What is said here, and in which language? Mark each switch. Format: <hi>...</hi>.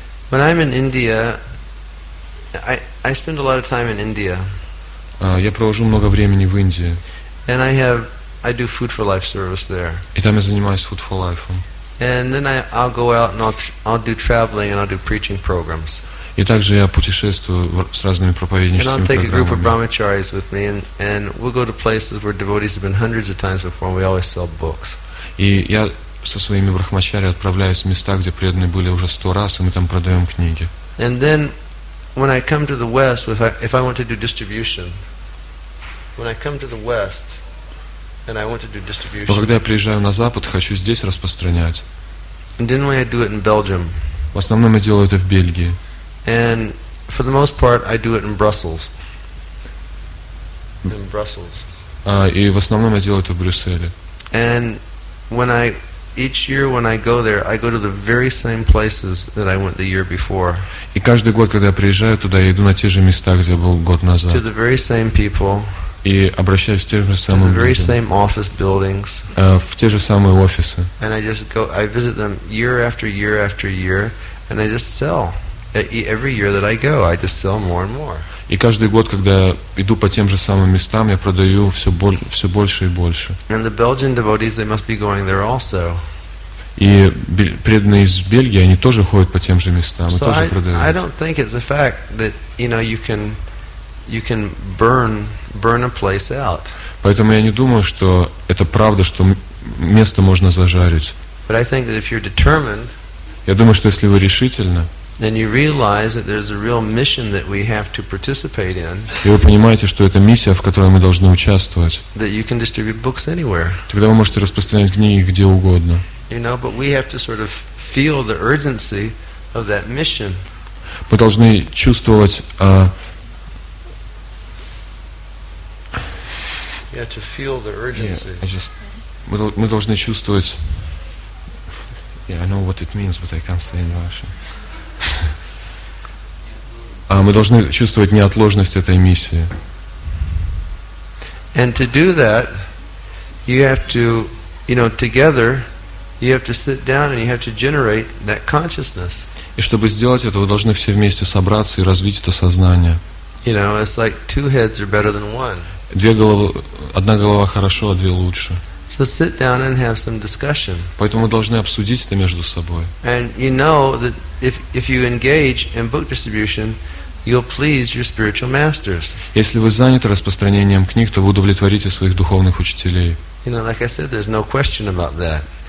<en>When I'm in India, I spend a lot of time in India.</en> <ru>Я провожу много времени в Индии.</ru> <en>And I do Food for Life service there.</en> <ru>И там я занимаюсь Food for Life.</ru> <en>And then I'll go out and I'll do traveling and I'll do preaching programs.</en> <ru>И также я путешествую с разными проповедническими программами.</ru> <en>And I'll take</en> <ru>программами.</ru> <en>A group of brahmacharis with me and we'll go to places where devotees have been hundreds of times before and we always sell books.</en> <ru>И я со своими брахмачари отправляюсь в места, где преданные были уже 100 раз, и мы там продаем книги.</ru> <en>And then when I come to the West, if I want to do distribution, when I come to the West and I want to do distribution,</en> <ru>но когда я приезжаю на Запад, хочу здесь распространять.</ru> <en>And generally I do it in Belgium.</en> <ru>В основном я делаю это в Бельгии.</ru> <en>And for the most part, I do it in Brussels. In Brussels.</en> <ru>И в основном я делаю это в Брюсселе.</ru> <en>And when I each year when I go there, I go to the very same places that I went the year before.</en> <ru>И каждый год, когда я приезжаю туда, я иду на те же места, где я был год назад.</ru> <en>To the very same people.</en> <ru>И обращаюсь к тем же самым.</ru> <en>To the very same office buildings.</en> <ru>В те же самые офисы.</ru> <en>And I just go. I visit them year after year after year, and I just sell. Every year that I go, I just sell more and more.</en> <ru>И каждый год, когда я иду по тем же самым местам, я продаю все больше и больше.</ru> <en>And the Belgian devotees, they must be going there also.</en> <ru>И преданные из Бельгии, они тоже ходят по тем же местам,</ru> <en>so</en> <ru>и тоже продают.</ru> <en>I don't think it's the fact that, you know, you can burn a place out.</en> <ru>Поэтому я не думаю, что это правда, что место можно зажарить.</ru> <en>But I think that if you're determined,</en> <ru>я думаю, что если вы решительны,</ru> <en>then you realize that there's a real mission that we have to participate in.</en> <ru>И вы понимаете, что это миссия, в которой мы должны участвовать.</ru> <en>That you can distribute books anywhere.</en> <ru>Тогда вы можете распространять книги где угодно.</ru> <en>You know, but we have to sort of feel the urgency of that mission.</en> <ru>Мы должны чувствовать</ru> <en>to feel the urgency.</en> <ru>Мы должны чувствовать.</ru> <en>Yeah, I know what it means, but I can't say in Russian.</en> <ru>Мы должны чувствовать неотложность этой миссии.</ru> <en>And to do that, you have to, you know, together, you have to sit down and you have to generate that consciousness.</en> <ru>И чтобы сделать это, вы должны все вместе собраться и развить это сознание.</ru> <en>You know, it's like two heads are better than one.</en> <ru>Две головы, одна голова хорошо, а две лучше.</ru> <en>So sit down and have some discussion.</en> <ru>Поэтому мы должны обсудить это между собой.</ru> <en>And you know that if you engage in book distribution, you'll please your spiritual masters.</en> <ru>Если вы заняты распространением книг, то вы удовлетворите своих духовных учителей.</ru> <en>You know, like I said, there's no question about that.</en>